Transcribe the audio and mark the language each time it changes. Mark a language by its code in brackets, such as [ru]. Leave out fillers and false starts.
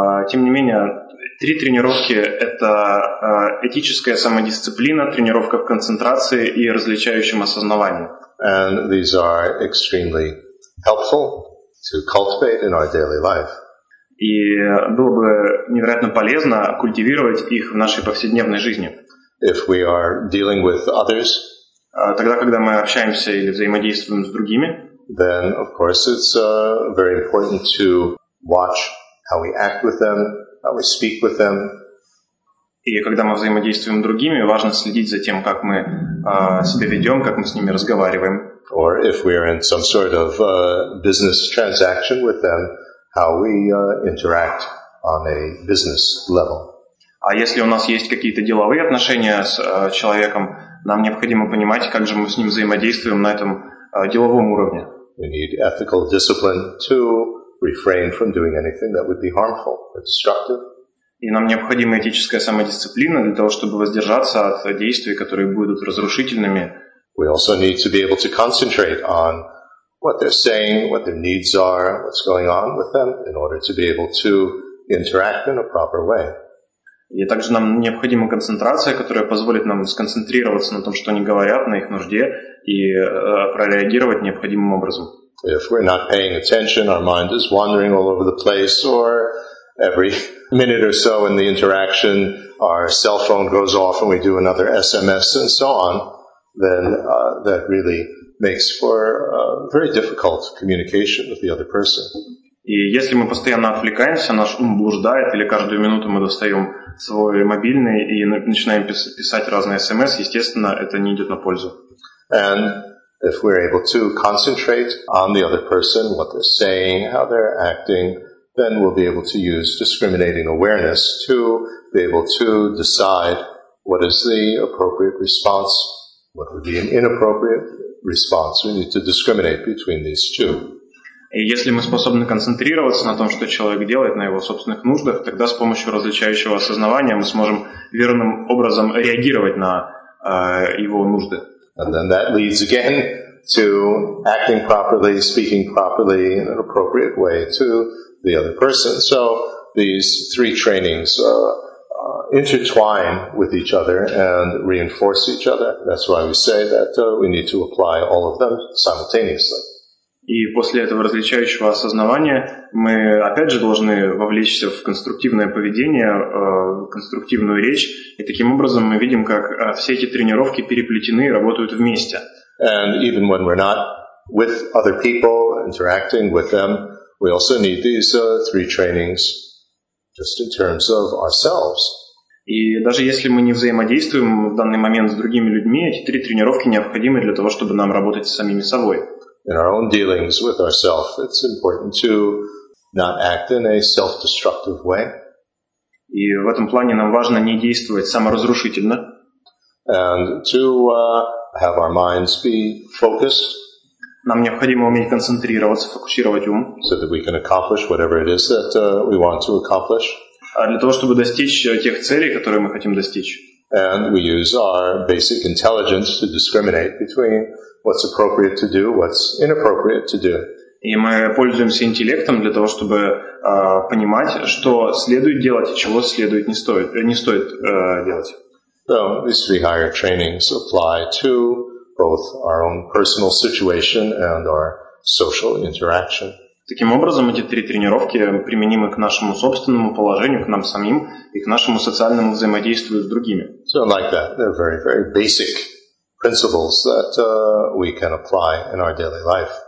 [ru] Тем не менее, три тренировки — это этическая самодисциплина, тренировка в концентрации и различающем осознавании. [en] And these are extremely helpful to cultivate in our daily life. [ru] И было бы невероятно полезно культивировать их в нашей повседневной жизни. [en] If we are dealing with others, [ru] тогда, когда мы общаемся или взаимодействуем с другими, [en] then, of course, it's very important to watch how we act with them, how we speak with them. [ru] И когда мы взаимодействуем с другими, важно следить за тем, как мы себя ведем, как мы с ними разговариваем. [en] Or if we are in some sort of business transaction with them, how we interact on a business level. [ru] А если у нас есть какие-то деловые отношения с человеком, нам необходимо понимать, как же мы с ним взаимодействуем на этом деловом уровне. [en] We need ethical discipline to refrain from doing anything that would be harmful or destructive. [ru] И нам необходима этическая самодисциплина для того, чтобы воздержаться от действий, которые будут разрушительными. [en] We also need to be able to concentrate on what they're saying, what their needs are, what's going on with them, in order to be able to interact in a proper way. [ru] И также нам необходима концентрация, которая позволит нам сконцентрироваться на том, что они говорят, на их нужде, и прореагировать необходимым образом. [en] If we're not paying attention, our mind is wandering all over the place, or every minute or so in the interaction, our cell phone goes off and we do another SMS and so on, then that really makes for a very difficult communication with the other person. [ru] И если мы постоянно отвлекаемся, наш ум блуждает, или каждую минуту мы достаем свой мобильный и начинаем писать разные смс, естественно, это не идет на пользу. [en] And if we're able to concentrate on the other person, what they're saying, how they're acting, then we'll be able to use discriminating awareness to be able to decide what is the appropriate response, what would be an inappropriate response. We need to discriminate between these two. [ru] И если мы способны концентрироваться на том, что человек делает, на его собственных нуждах, тогда с помощью различающего осознавания мы сможем верным образом реагировать на его нужды. [en] And then that leads again to acting properly, speaking properly in an appropriate way to the other person. So these three trainings intertwine with each other and reinforce each other. That's why we say that we need to apply all of them simultaneously. [ru] И после этого различающего осознавания мы опять же должны вовлечься в конструктивное поведение, в конструктивную речь. И таким образом мы видим, как все эти тренировки переплетены и работают вместе. [en] And even when we're not with other people, interacting with them, we also need these three trainings just in terms of ourselves. [ru] И даже если мы не взаимодействуем в данный момент с другими людьми, эти три тренировки необходимы для того, чтобы нам работать с самими собой. [en] In our own dealings with ourselves, it's important to not act in a self-destructive way. [ru] И в этом плане нам важно не действовать саморазрушительно. [en] And to have our minds be focused. [ru] Нам необходимо уметь концентрироваться, фокусировать ум. [en] So that we can accomplish whatever it is that we want to accomplish. [ru] А для того, чтобы достичь тех целей, которые мы хотим достичь. [en] And we use our basic intelligence to discriminate between what's appropriate to do, what's inappropriate to do. [ru] И мы пользуемся интеллектом для того, чтобы понимать, что следует делать и чего следует не стоит делать. [en] So these three higher trainings apply to both our own personal situation and our social interaction. [ru] Таким образом, эти три тренировки применимы к нашему собственному положению, к нам самим и к нашему социальному взаимодействию с другими. [en] So like that, they're very, very basic principles that we can apply in our daily life.